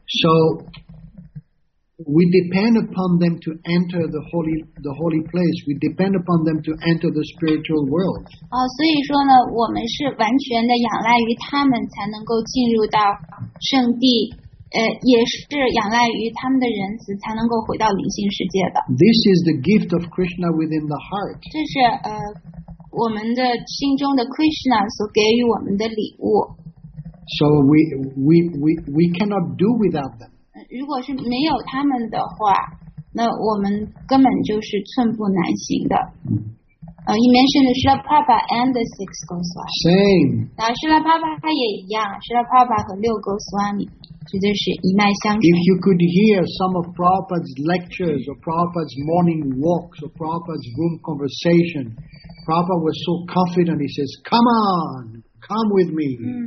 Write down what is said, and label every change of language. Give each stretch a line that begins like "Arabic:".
English: So we depend upon them to enter the holy place. We depend upon them to enter the spiritual world.
Chinese: 所以说呢，我们是完全的仰赖于他们才能够进入到圣地。
English: This is the gift of Krishna within the heart.
Chinese: 这是, 我们的心中的 Krishna 所给予我们的礼物。
English: So we cannot do without them.
Chinese: 如果是没有他们的话, 那我们根本就是寸步难行的。
English: You mentioned Srila Prabhupada and the six Goswami. Same.
Chinese: Srila Prabhupada 也一样, Srila Prabhupada 和六 Goswami.
English: If you could hear some of Prabhupada's lectures or Prabhupada's morning walks or Prabhupada's room conversation, Prabhupada was so confident, he says, come on, come with me.